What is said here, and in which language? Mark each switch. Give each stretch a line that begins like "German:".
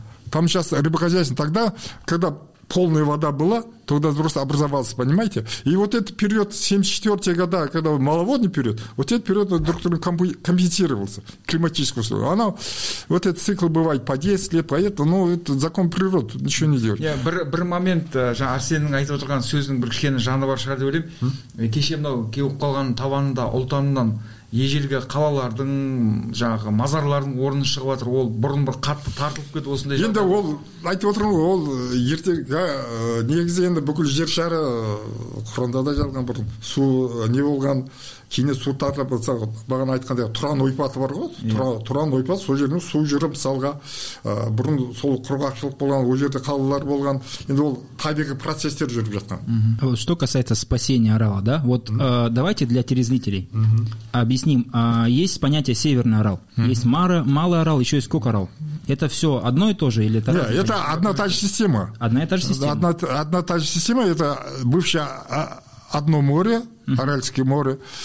Russian: Там сейчас рыбохозяйство. Тогда, когда полная вода была, тогда просто образовался, понимаете? И вот этот период, 74-е годы, когда маловодный период, вот этот период друг другу компенсировался, климатическое условие. Она, вот этот цикл бывает по 10 лет, поэтому, ну, это закон природы, ничего не делать.
Kazakh: Бір момент, Арсен айтып отырған сөзінің бір кішкені жаны бар шығар деп ойлаймын. Кеше мынау кеуіп қалған табанында ұлтанынан ежелгі қалалардың жаңағы мазарлардың орны шығып жатыр, ол бұрын бір қатты тартылып кетіп осындай. Енді ол айтып отырмын ғой, ол ертең негізі енді бүкіл жер шары Құранда да жазылған, бұрын су не болған, кейіннен су тартылып болса, бағана айтқандай Тұран ойпаты бар ғой, Тұран ойпаты, сол жерден су жүріп, мысалға бұрын сол құрғақшылық болған, ол жерде қалалар болған, енді ол табиғи процестер жүріп жатқан.
Russian: Что касается спасения Арала, да, вот давайте для телезрителей объясним. Есть понятие Северный Арал, есть Малый Арал, еще есть Кок Арал. Это все одно и то же или это? Нет, это одна и та же система. Одна и та же система. Одна и та же система, это бывшее одно море, Аральское море.